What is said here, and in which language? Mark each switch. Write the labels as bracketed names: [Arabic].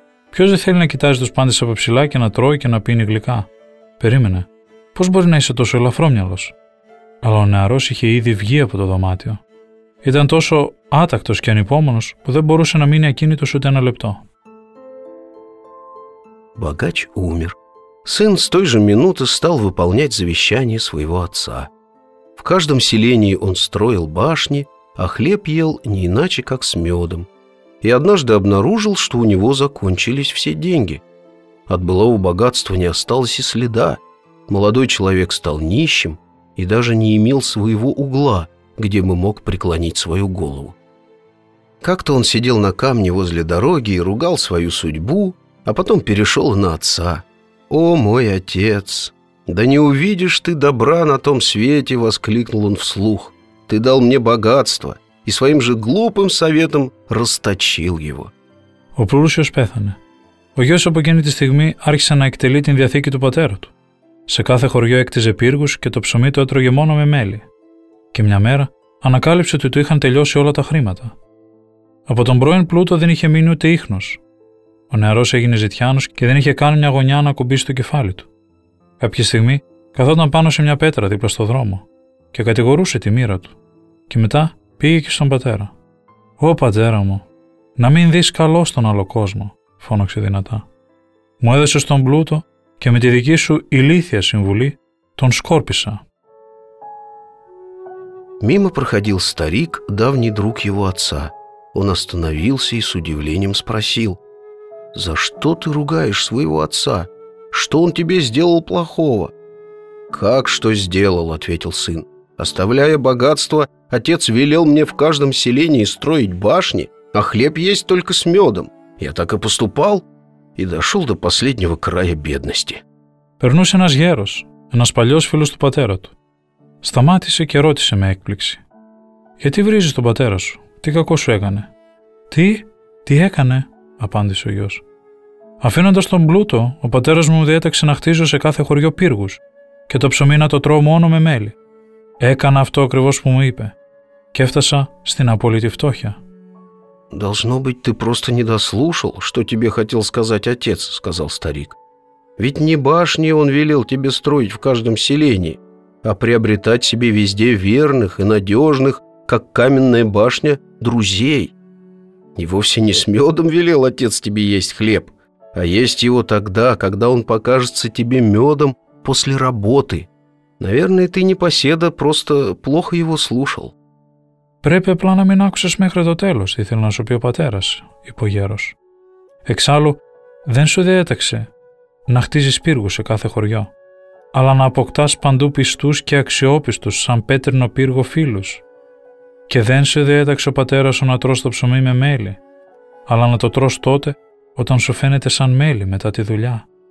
[Greek] «Ποιος δεν θέλει να κοιτάζει τους πάντες από ψηλά και να τρώει και να πίνει γλυκά? Περίμενε, πώς μπορεί να είσαι τόσο ελαφρόμυαλος?» Αλλά ο νεαρός είχε ήδη βγει από το δωμάτιο. Ήταν τόσο άτακτος και ανυπόμονος που δεν μπορούσε να μείνει ακίνητος ούτε ένα λεπτό. [Russian] Богач умер. Сын с той же минуты стал выполнять завещание своего отца. В каждом селении он строил башни, а хлеб ел не иначе, как с медом. И однажды обнаружил, что у него закончились все деньги. От былого богатства не осталось и следа. Молодой человек стал нищим и даже не имел своего угла, где бы мог преклонить свою голову. Как-то он сидел на камне возле дороги и ругал свою судьбу, а потом перешел на отца. «О, мой отец! Да не увидишь ты добра на том свете!» — воскликнул он вслух. «Ты дал мне богатство, и своим же глупым советом расточил его. [Greek] Ο πλούσιος πέθανε. Ο γιος από εκείνη τη στιγμή άρχισε να εκτελεί την διαθήκη του πατέρα του. Σε κάθε χωριό έκτιζε πύργους και το ψωμί το έτρωγε μόνο με μέλι. Και μια μέρα ανακάλυψε ότι του είχαν τελειώσει όλα τα χρήματα. Από τον πρώην πλούτο δεν είχε μείνει ούτε ίχνος. Ο νεαρός έγινε ζητιάνος και δεν είχε καν μια γωνιά να κουμπίσει το κεφάλι του. Κάποια στιγμή καθόταν πάνω σε μια πέτρα δίπλα στο δρόμο και κατηγορούσε τη μοίρα του. Και μετά πήγε και στον πατέρα. «Ω πατέρα μου, να μην δεις καλό στον άλλο κόσμο», φώναξε δυνατά. «Μου έδεσες τον πλούτο και με τη δική σου ηλίθια συμβουλή τον σκόρπισα». [Russian] Мимо проходил старик, давний друг его отца. Он остановился и с удивлением спросил: «За что ты ругаешь своего отца? Что он тебе сделал плохого?» «Как что сделал?» — ответил сын. «Оставляя богатство, отец велел мне в каждом селении строить башни, а хлеб есть только с медом. Я так и поступал и дошел до последнего края бедности». Вернулся наш [Greek] герос, нас палёс филус ту патера ту. Σταμάτησε και ρώτησε με έκπληξη: «Γιατί βρίζεις τον πατέρα σου? Τι κακό σου έκανε?» Τι έκανε?» απάντησε ο γιος. «Αφήνοντας τον πλούτο, ο πατέρας μου διέταξε να χτίζω σε κάθε χωριό πύργους και το ψωμί να το τρώω μόνο με μέλι. Έκανα αυτό ακριβώς που μου είπε και έφτασα στην απόλυτη φτώχεια». [Russian] «Должно быть, ты просто не дослушал, что тебе хотел сказать отец», сказал старик. «Ведь не башни он велел тебе строить в каждом селении, а приобретать себе везде верных и надежных, как каменная башня, друзей. И вовсе не с медом велел отец тебе есть хлеб, а есть его тогда, когда он покажется тебе медом после работы. Наверное, ты, непоседа, просто плохо его слушал». [Greek] «Препе плана мин акусес мехре до телос, ήθελε να σου πει ο πατέρας», είπε ο γέρος. «Εξάλλου, δεν σου διέταξε να χτίζεις πύργους σε κάθε χωριό, αλλά να αποκτάς παντού πιστούς και αξιόπιστους σαν πέτρινο πύργο φίλους. Και δεν σε διέταξε ο πατέρας σου να τρως το ψωμί με μέλι, αλλά να το τρως τότε όταν σου φαίνεται σαν μέλι μετά τη δουλειά.